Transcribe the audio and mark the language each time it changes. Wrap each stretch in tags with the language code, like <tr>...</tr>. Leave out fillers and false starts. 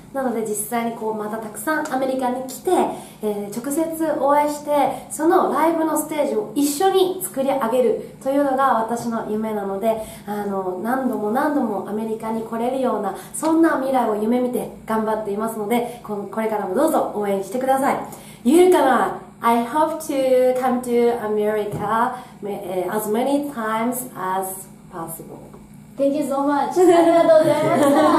<ja>なので実際にこうまたたくさんアメリカに来て、直接お会いして、そのライブのステージを一緒に作り上げるというのが私の夢なので、何度も何度もアメリカに来れるようなそんな未来を夢見て頑張っていますので、これからもどうぞ応援してください。言えるかな。</ja> <en>I hope to come to America as many times as possible. Thank you so much.</en> <ja>ありがとうございました。</ja>